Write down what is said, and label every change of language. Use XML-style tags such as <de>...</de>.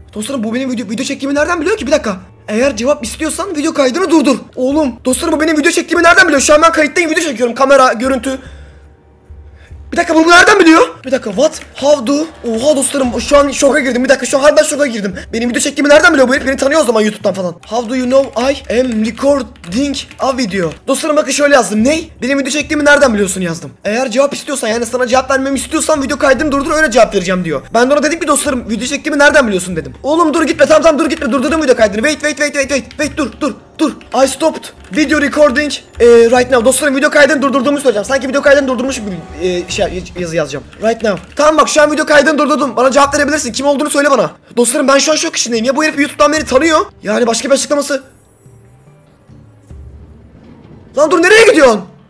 <tr>Dostlarım bu benim video çektiğimi nereden biliyor ki? Bir dakika. Eğer cevap istiyorsan video kaydını durdur. Oğlum. Dostlarım bu benim video çektiğimi nereden biliyor? Şu an ben kayıttayım, video çekiyorum. Kamera, görüntü. Bir dakika, bunu nereden biliyor? Bir dakika,</tr> <en>what? How do?</en> <tr>Oha dostlarım şu an şoka girdim. Bir dakika, şu an harbiden şoka girdim. Benim video çektiğimi nereden biliyor bu herif? Beni tanıyor o zaman YouTube'dan falan.</tr> <en>How do you know I am recording a video?</en> <tr>Dostlarım bakın şöyle yazdım. Ney? Benim video çektiğimi nereden biliyorsun yazdım. Eğer cevap istiyorsan, yani sana cevap vermemi istiyorsan video kaydını durdur, öyle cevap vereceğim diyor. Ben de ona dedim ki dostlarım video çektiğimi nereden biliyorsun dedim. Oğlum dur gitme, tamam dur gitme, durdurdum video kaydını.</tr> <en>Wait,</en> <tr>dur.</tr> <en>I stopped video recording right now.</en> <tr>Dostlarım video kaydını durdurduğumu söyleyeceğim. Sanki video kaydını durdurmuş bir yazı yazacağım.</tr> <en>Right now.</en> <tr>Tamam bak, şu an video kaydını durdurdum. Bana cevap verebilirsin. Kim olduğunu söyle bana. Dostlarım ben şu an şok içindeyim. Ya bu herif YouTube'dan beni tanıyor. Yani başka bir açıklaması. Lan dur, nereye gidiyorsun?</tr>